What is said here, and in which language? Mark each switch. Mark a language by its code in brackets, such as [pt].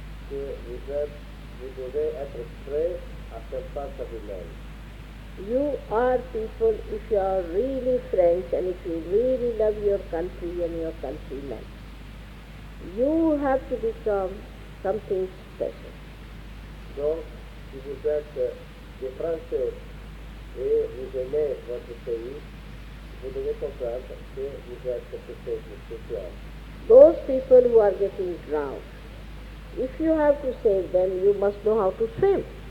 [en] You are people, if you are really French and if you really love your country and your countrymen, you have to become something special. [fr] Donc, si vous êtes des Français et vous aimez votre pays, vous devez comprendre que vous êtes quelque chose de spécial. [en] Those people who are getting drowned, if you have to save them, you must know how to swim.